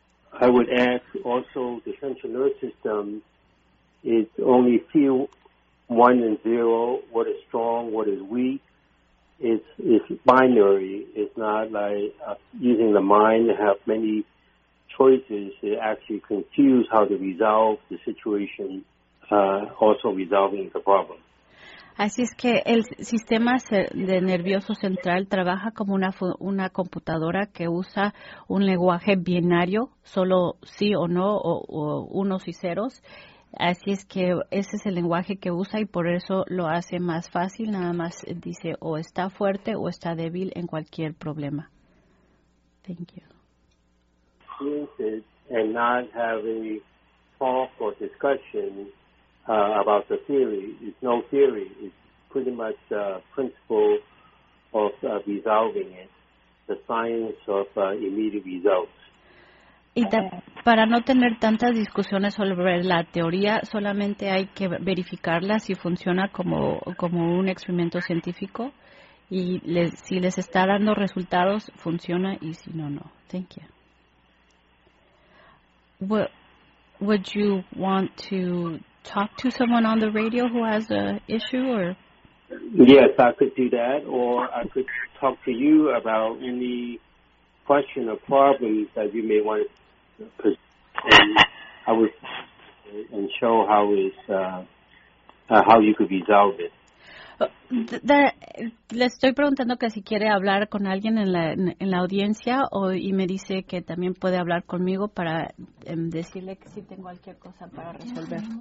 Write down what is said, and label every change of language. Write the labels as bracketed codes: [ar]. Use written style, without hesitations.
[en] I would ask also the central nervous system is only few one and zero, what is strong, what is weak. It's binary. It's not like using the mind to have many choices. It actually confuses how to resolve the situation, also resolving the problem. [es] Así es que el sistema de nervioso central trabaja como una computadora que usa un lenguaje binario, solo sí o no, o unos y ceros. Así es que ese es el lenguaje que usa y por eso lo hace más fácil. Nada más dice o está fuerte o está débil en cualquier problema. [en] Thank you. And not have any talk or discussion. About the theory, it's no theory. It's pretty much the principle of resolving it, the science of immediate results. [es] Y para no tener tantas discusiones sobre la teoría, solamente hay que verificarla si funciona como un experimento científico y si les está dando resultados, funciona y si no, no. [en] Thank you. Would you want to talk to someone on the radio who has an issue, or? Yes, I could do that, or I could talk to you about any question or problems that you may want to present. I would and show how you could resolve it. [es] Le estoy preguntando que si quiere hablar con alguien en la audiencia y me dice que también puede hablar conmigo para decirle que si tengo cualquier cosa para resolver.